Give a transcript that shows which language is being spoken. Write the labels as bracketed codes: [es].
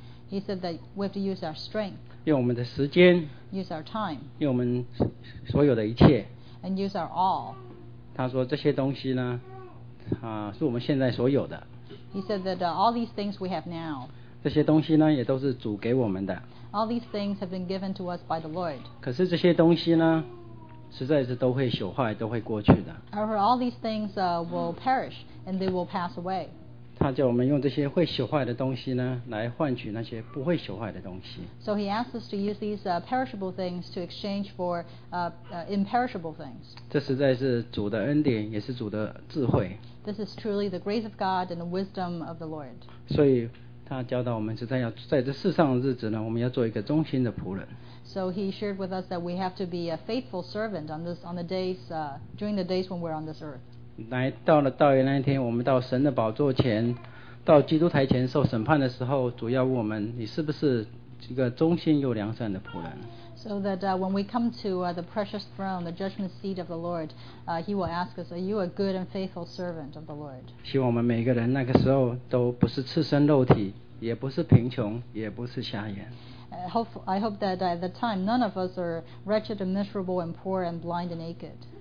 [en] He said that we have to use our strength. [zh] 用我们的时间。 [en] Use our time. [zh] 用我们所有的一切。 [en] And use our all. [zh] 他说这些东西呢，是我们现在所有的。 [en] He said that all these things we have now. [zh] 这些东西呢，也都是主给我们的。 [en] All these things have been given to us by the Lord. [zh] 可是这些东西呢，实在是都会朽坏，都会过去的。 [en] However, all these things will perish and they will pass away. [zh] 他叫我们用这些会朽坏的东西呢，来换取那些不会朽坏的东西。 [en] So he asks us to use these perishable things to exchange for imperishable things. [zh] 这实在是主的恩典，也是主的智慧。 [en] This is truly the grace of God and the wisdom of the Lord. [zh] 所以他教导我们，实在要在这世上的日子呢，我们要做一个忠心的仆人。 [en] So he shared with us that we have to be a faithful servant on this on the days during the days when we're on this earth. [zh] 来到了到那一天，我们到神的宝座前，到基督台前受审判的时候，主要问我们，你是不是一个忠心又良善的仆人？ [en] So that when we come to the precious throne, the judgment seat of the Lord, he will ask us, are you a good and faithful servant of the Lord? [zh] 希望我们每个人那个时候都不是赤身肉体，也不是贫穷，也不是瞎眼。 [en] I hope that at the time, none of us are wretched and miserable and poor and blind and naked.